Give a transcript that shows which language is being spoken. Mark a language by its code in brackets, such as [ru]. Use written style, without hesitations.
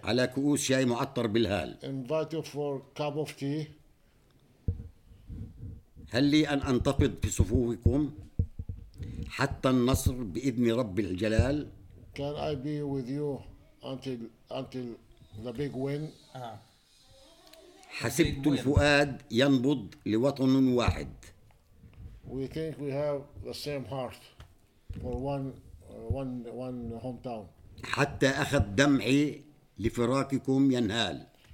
[ar] على كؤوس شاي معطر بالهال. [en] Invite you for cup of tea. [ar] هل لي أن أنتفض في صفوفكم حتى النصر بإذن رب الجلال؟ [en] Can I be with you until the big win? [ar] حسبت الفؤاد ينبض لوطن واحد. [en] We think we have the same heart for one hometown. [ar] حتى أخذ دمعي لفراقكم ينهال.